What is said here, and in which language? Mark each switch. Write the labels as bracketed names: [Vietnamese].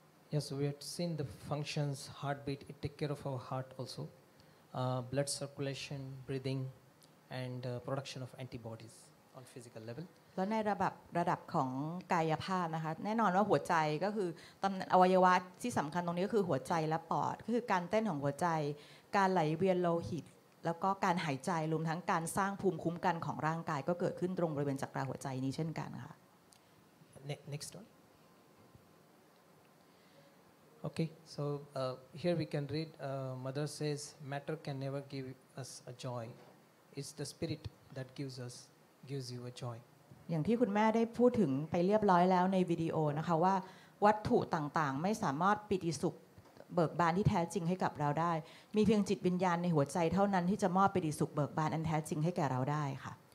[English] Yes, we have seen the functions, heartbeat, it take care of our heart also, blood circulation, breathing, and production of antibodies on physical level. [Thai] แล้วในระดับของกายภาพนะคะแน่นอนว่าหัวใจก็คือตำแหน่งอวัยวะที่สำคัญตรงนี้ก็คือหัวใจและปอดก็คือการเต้นของหัวใจการไหลเวียนโลหิตแล้วก็การหายใจรวมทั้งการสร้างภูมิคุ้มกันของร่างกายก็เกิดขึ้นตรงบริเวณจักระหัวใจนี้เช่นกันค่ะ [English] next one okay so here we can read mother says matter can never give us a joy it's the spirit that gives you a joy [Thai] อย่างที่คุณแม่ได้พูดถึงไปเรียบร้อยแล้วในวิดีโอนะคะว่าวัตถุต่างๆไม่สามารถปิติสุขเบิกบานที่แท้จริงให้กับเราได้มีเพียงจิตวิญญาณในหัวใจเท่านั้นที่จะมอบปิติสุขเบิกบานอันแท้จริงให้แก่เราได้ค่ะ